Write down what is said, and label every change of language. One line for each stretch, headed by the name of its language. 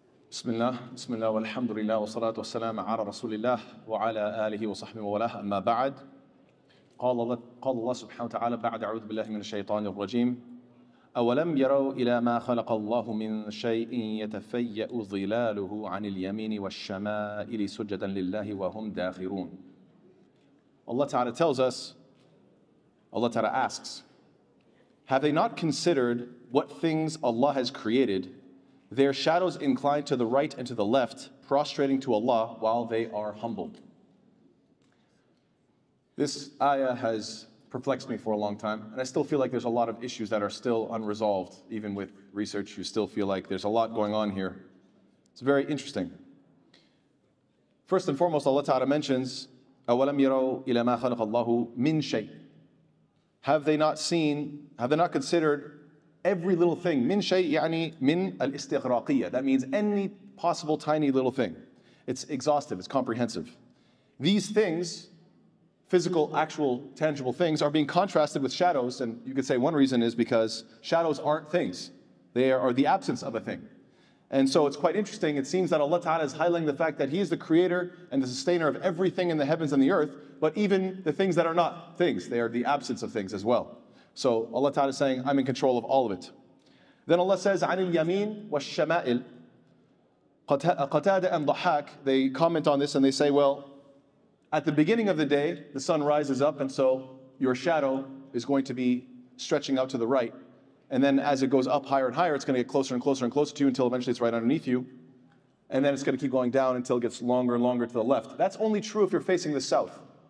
Arabic: بسم الله بسم الله والحمد لله والصلاة والسلام على رسول الله وعلى آله وصحبه وله أما بعد قال الله سبحانه وتعالى بعد أعوذ بالله من الشيطان الرجيم أولم يروا إلى ما خلق الله من شيء يتفيأ ظلاله عن اليمين والشمائل سجدا لله وهم داخرون.
English: Allah Ta'ala tells us, Allah Ta'ala asks, have they not considered what things Allah has created? Their shadows incline to the right and to the left, prostrating to Allah while they are humbled. This ayah has perplexed me for a long time, and I still feel like there's a lot of issues that are still unresolved, even with research, you still feel like there's a lot going on here. It's very interesting. First and foremost, Allah Ta'ala mentions,
Arabic: أَوَلَمْ يَرَوْا إِلَى مَا خَلَقَ اللَّهُ مِنْ شَيْءٍ.
English: Have they not considered every little thing,
Arabic: min shay yani min al istighraqiyya,
English: that means any possible tiny little thing. It's exhaustive, it's comprehensive. These things, physical, actual, tangible things, are being contrasted with shadows, and you could say one reason is because shadows aren't things. They are the absence of a thing. And so it's quite interesting, it seems that Allah Ta'ala is highlighting the fact that He is the creator and the sustainer of everything in the heavens and the earth, but even the things that are not things, they are the absence of things as well. So Allah Ta'ala is saying, I'm in control of all of it. Then Allah says,
Arabic: عَنِ الْيَمِينِ وَالشَّمَائِلِ قَتَادَ أَمْ ضَحَاكِ.
English: They comment on this and they say, well, at the beginning of the day, the sun rises up, and so your shadow is going to be stretching out to the right. And then as it goes up higher and higher, it's going to get closer and closer and closer to you until eventually it's right underneath you. And then it's going to keep going down until it gets longer and longer to the left. That's only true if you're facing the south.